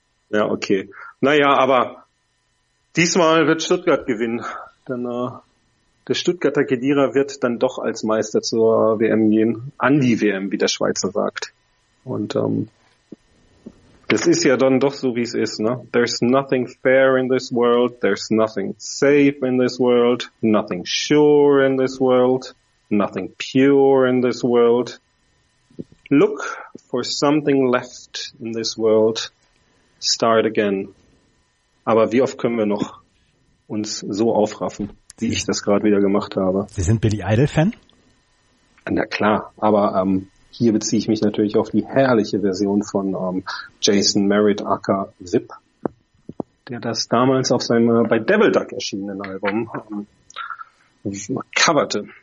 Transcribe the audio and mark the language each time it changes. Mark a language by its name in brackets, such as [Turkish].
[German] Ja, okay. Naja, aber diesmal wird Stuttgart gewinnen. Denn der Stuttgarter Kedira wird dann doch als Meister zur WM gehen. An die WM, wie der Schweizer sagt. Und das ist ja dann doch so, wie es ist, ne? [English] There's nothing fair in this world, there's nothing safe in this world, nothing sure in this world, nothing pure in this world. Look for something left in this world, start again. [German] Aber wie oft können wir noch uns so aufraffen, wie ich das gerade wieder gemacht habe? Sie sind Billy Idol-Fan? Na klar, aber hier beziehe ich mich natürlich auf die herrliche Version von Jason Merritt aka Zip, der das damals auf seinem bei Devil Duck erschienenen Album coverte.